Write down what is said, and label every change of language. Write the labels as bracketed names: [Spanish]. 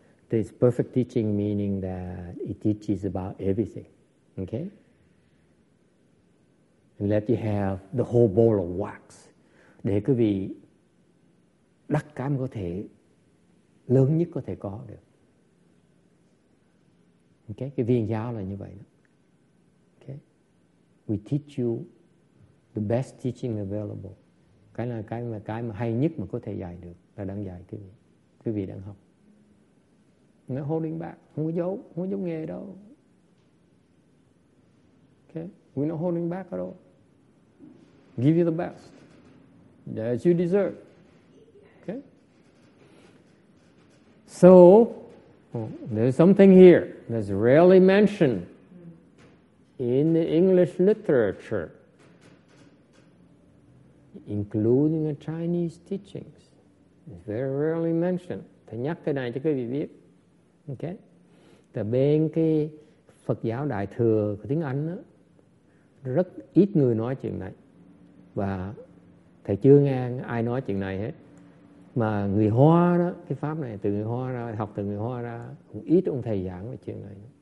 [English] This perfect teaching meaning that it teaches about everything. Okay? And let you have the whole ball of wax. [Vietnamese] Để quý vị đắc cảm có thể lớn nhất có thể có được. Okay? Cái viên giáo là như vậy đó. [English] We teach you the best teaching available. [Vietnamese] Cái là cái mà hay nhất mà có thể dạy được là đang dạy quý vị đang học. Nó [English] holding back, [Vietnamese] không có giấu nghề đâu. [English] Okay, we're not holding back at all. Give you the best that you deserve. Okay. So there's something here that's rarely mentioned in the English literature, including the Chinese teachings. It's very rarely mentioned. [Vietnamese] Thầy nhắc cái này cho quý vị biết. Okay. Từ bên cái Phật giáo Đại Thừa của tiếng Anh đó, rất ít người nói chuyện này. Và thầy chưa nghe ai nói chuyện này hết. Mà người Hoa đó, cái pháp này từ người Hoa ra, học từ người Hoa ra, cũng ít ông thầy giảng về chuyện này.